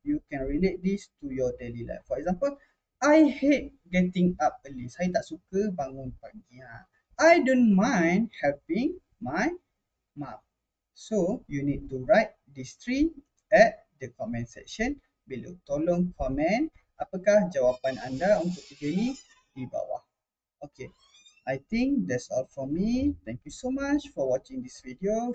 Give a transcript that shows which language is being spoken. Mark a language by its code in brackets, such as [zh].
[en] You can relate this to your daily life. For example, I hate getting up early. [ms] Saya tak suka bangun pagi. [en] I don't mind helping my mom. So, you need to write these 3 at the comment section below. [ms] Tolong komen apakah jawapan anda untuk 3 ini di bawah. [en] Okay, I think that's all for me. Thank you so much for watching this video.